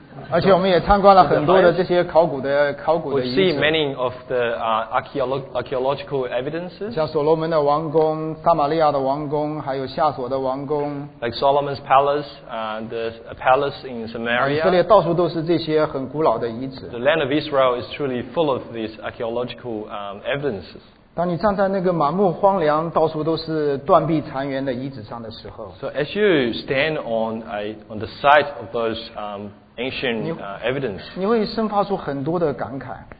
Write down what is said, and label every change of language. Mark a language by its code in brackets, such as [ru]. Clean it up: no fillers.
[zh] 而且我们也参观了很多的这些考古的遗址。 [en] We see many of the archaeological evidences. [zh] 像所罗门的王宫、撒玛利亚的王宫，还有夏所的王宫。 [en] Like Solomon's palace, the palace in Samaria. [zh] 以色列到处都是这些很古老的遗址。 [en] The land of Israel is truly full of these archaeological evidences. [zh] 当你站在那个满目荒凉、到处都是断壁残垣的遗址上的时候 [en] ，So as you stand on the site of those ancient evidence， [zh] 你会生发出很多的感慨。